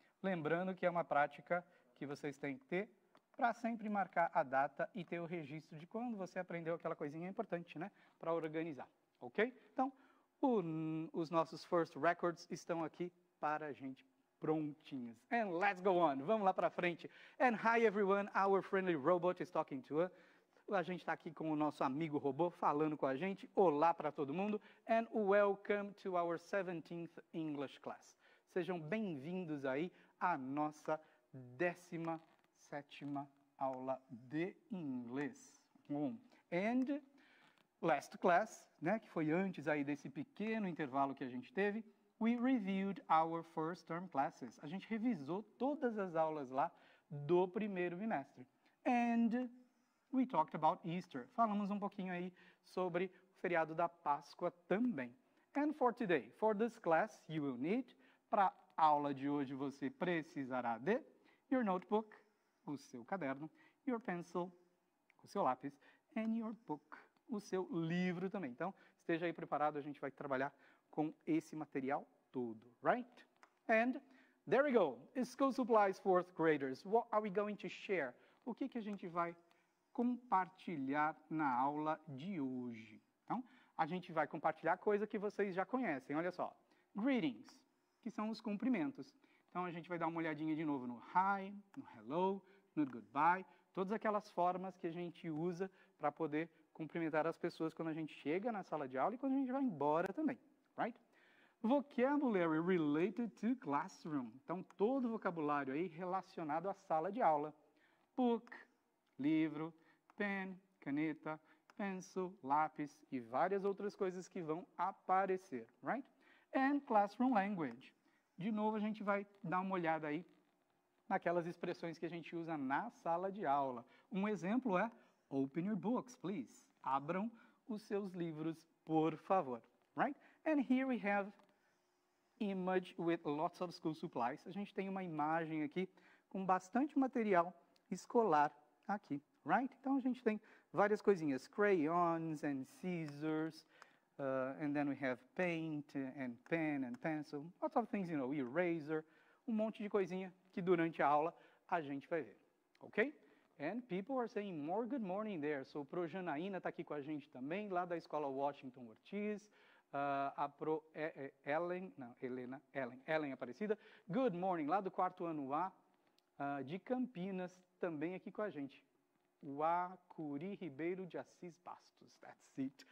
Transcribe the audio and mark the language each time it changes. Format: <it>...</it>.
<pt>Lembrando que é uma prática que vocês têm que ter para sempre marcar a data e ter o registro de quando você aprendeu aquela coisinha importante, né, para organizar, ok? Então, os nossos first records estão aqui para a gente prontinhos.</pt> <en>And let's go on,</en> <pt>vamos lá para frente.</pt> <en>And hi everyone, our friendly robot is talking to us.</en> <pt>A gente está aqui com o nosso amigo robô falando com a gente. Olá para todo mundo.</pt> <en>And welcome to our 17th English class.</en> <pt>Sejam bem-vindos aí à nossa 17ª aula de inglês. And last class, né, que foi antes aí desse pequeno intervalo que a gente teve,</pt> <en>we reviewed our first term classes.</en> <pt>A gente revisou todas as aulas lá do primeiro bimestre.</pt> <en>And we talked about Easter.</en> <pt>Falamos um pouquinho aí sobre o feriado da Páscoa também.</pt> <en>And for today, for this class, you will need,</en> <pt>para aula de hoje você precisará de,</pt> <en>your notebook,</en> <pt>o seu caderno,</pt> <en>your pencil,</en> <pt>o seu lápis,</pt> <en>and your book,</en> <pt>o seu livro também. Então, esteja aí preparado, a gente vai trabalhar com esse material todo, right?</pt> <en>And there we go, School Supplies Fourth Graders. What are we going to share?</en> <pt>O que, que a gente vai compartilhar na aula de hoje? Então, a gente vai compartilhar coisa que vocês já conhecem, olha só. Greetings, que são os cumprimentos. Então, a gente vai dar uma olhadinha de novo no hi, no hello, no goodbye, todas aquelas formas que a gente usa para poder cumprimentar as pessoas quando a gente chega na sala de aula e quando a gente vai embora também, right?</pt> <en>Vocabulary related to classroom.</en> <pt>Então, todo vocabulário aí relacionado à sala de aula. Book, livro, pen, caneta, pencil, lápis e várias outras coisas que vão aparecer, right?</pt> <en>And classroom language.</en> <pt>De novo, a gente vai dar uma olhada aí naquelas expressões que a gente usa na sala de aula. Um exemplo é,</pt> <en>open your books, please.</en> <pt>Abram os seus livros, por favor. Right?</pt> <en>And here we have image with lots of school supplies.</en> <pt>A gente tem uma imagem aqui com bastante material escolar aqui. Right? Então, a gente tem várias coisinhas.</pt> <en>Crayons and scissors. And then we have paint and pen and pencil. Lots of things, you know, eraser.</en> <pt>Um monte de coisinha que durante a aula a gente vai ver, ok?</pt> <en>And people are saying more good morning there.</en> <pt>So, Pro Janaína está aqui com a gente também, lá da Escola Washington Ortiz. A Pro Ellen, não, Helena, Ellen, Ellen Aparecida.</pt> <en>Good morning,</en> <pt>lá do quarto ano A, de Campinas, também aqui com a gente. O A, Curi Ribeiro de Assis Bastos, that's it.</pt>